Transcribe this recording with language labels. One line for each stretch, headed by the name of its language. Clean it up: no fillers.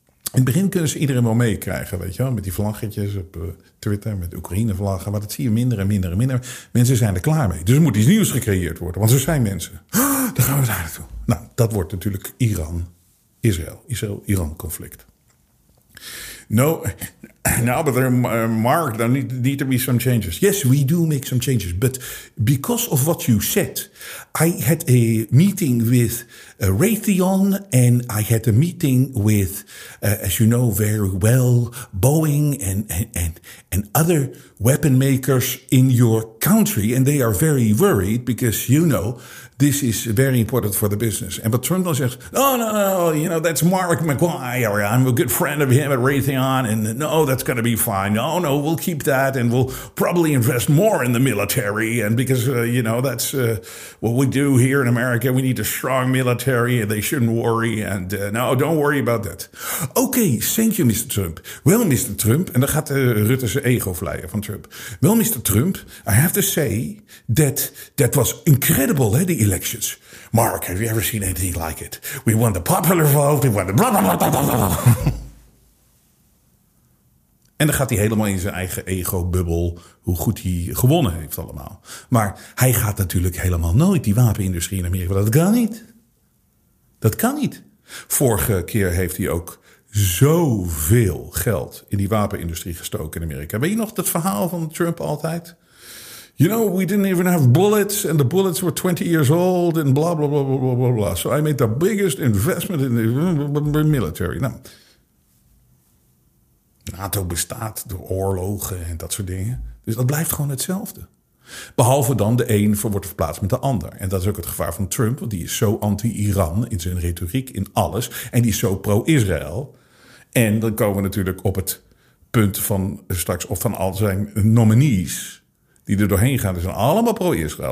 Dutch: In het begin kunnen ze iedereen wel meekrijgen, weet je wel. Met die vlaggetjes op Twitter, met Oekraïne-vlaggen. Maar dat zie je minder en minder en minder. Mensen zijn er klaar mee. Dus er moet iets nieuws gecreëerd worden, want er zijn mensen. Dan gaan we daar naartoe. Nou, dat wordt natuurlijk Iran-Israël. Israël-Iran-conflict.
English: No, now but Mark, there need to be some changes. Yes, we do make some changes. But because of what you said, I had a meeting with Raytheon and I had a meeting with, as you know very well, Boeing and other weapon makers in your country. And they are very worried because, you know, this is very important for the business. And but Trump says, oh, no, you know, that's Mark McGuire. I'm a good friend of him at Raytheon. And no, that's going to be fine. Oh, no, we'll keep that. And we'll probably invest more in the military. And because, you know, that's what we do here in America. We need a strong military. And they shouldn't worry. And no, don't worry about that. Okay, thank you, Mr. Trump. Well, Mr. Trump.
Dutch: And dan gaat Rutte zijn ego vleien van Trump.
English: Well, Mr. Trump, I have to say that was incredible, hè? Elections. Mark, have you ever seen anything like it? We won the popular vote, we won the blah, blah, blah, blah, blah.
Dutch: En dan gaat hij helemaal in zijn eigen ego-bubbel hoe goed hij gewonnen heeft allemaal. Maar hij gaat natuurlijk helemaal nooit die wapenindustrie in Amerika. Dat kan niet. Dat kan niet. Vorige keer heeft hij ook zoveel geld in die wapenindustrie gestoken in Amerika. Weet je nog dat verhaal van Trump altijd?
English: You know, we didn't even have bullets and the bullets were 20 years old and blah, blah, blah, blah, blah, blah, blah. So I made the biggest investment in the military.
Dutch: Nou, NATO bestaat door oorlogen en dat soort dingen. Dus dat blijft gewoon hetzelfde. Behalve dan de een wordt verplaatst met de ander. En dat is ook het gevaar van Trump, want die is zo anti-Iran in zijn retoriek, in alles. En die is zo pro-Israël. En dan komen we natuurlijk op het punt van straks, of van al zijn nominees die er doorheen gaan, zijn allemaal pro-Israël.